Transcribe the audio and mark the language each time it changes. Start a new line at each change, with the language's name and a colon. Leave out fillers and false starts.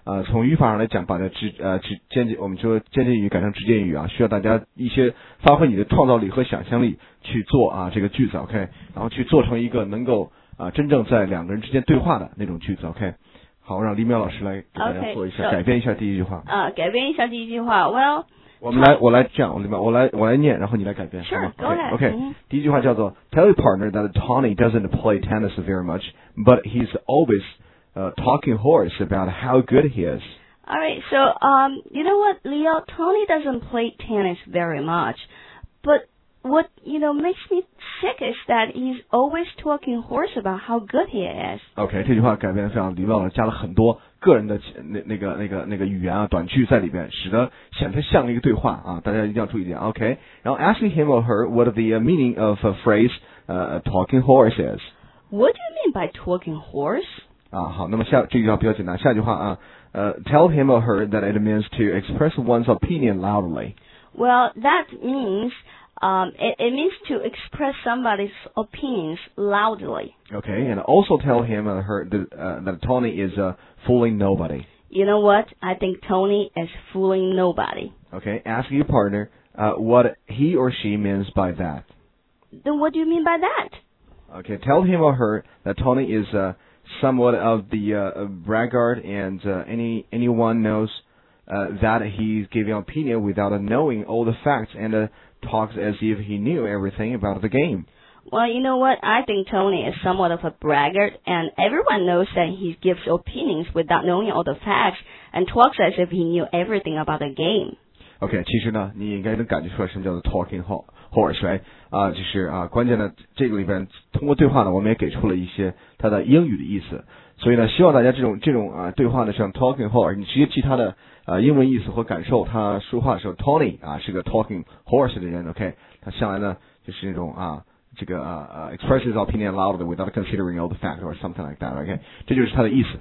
Chinese: 从语法上来讲，把它我们说间接语改成直接语啊，需要大家一些发挥你的创造力和想象力去做啊这个句子 ，OK， 然后去做成一个能够真正在两个人之间对话的那种句子 ，OK。好，让黎淼老师来给大家做一下
English: okay,
Chinese: 改变一下第一句话。改变一下第一句话。
English: Well，
Chinese: 我们来，我来这样，我来念，然后你来改变。
English: Sure， go ahead。 Okay，
Chinese: 第一句话叫做
English: ：Tell your partner that Tony doesn't play tennis very much， but he's always。 Talking horse about how good he is. All right, so you know what, Leo? Tony doesn't play tennis very much, but what you know makes me sick is that he's always talking horse about how good he is. Okay,
Chinese: 这句话改变非常，李老师加了很多个人的那个语言啊，短句在里边，使得显得像一个对话啊，大家一定要注意点。
English: Okay,
Chinese: 然后
English: asking him or her what the meaning of a phrase talking horse is. What do you mean by talking horse?
Chinese: 啊，好，那么下这句话比较简单，下句话啊，
English: tell him or her that it means to express one's opinion loudly. Well, that means, it means to express somebody's opinions loudly. Okay, and also tell him or her that Tony is fooling nobody. You know what? I think Tony is fooling nobody. Okay, ask your partner, what he or she means by that. Then what do you mean by that? Okay, tell him or her that Tony is somewhat of the braggart, and anyone knows that he's giving opinion without knowing all the facts and talks as if he knew everything about the game. Well, you know what? I think Tony is somewhat of a braggart, and everyone knows that he gives opinions without knowing all the facts and talks as if he knew everything about the game. Okay,
Chinese: 其实呢，你应该能感觉出来什么叫做 talking horse, right? 就是啊，关键呢，这个里边通过对话呢，我们也给出了一些它的英语的意思。所以呢，希望大家这种啊对话呢，像 talking horse， 你直接记它的英文意思和感受。他说话的时候 ，Tony 啊是个 talking horse 的人 ，OK， 他向来呢就是那种啊这个
English: express his opinion loudly without considering all the facts or something like that，
Chinese: OK，、okay? 这就是它的意思。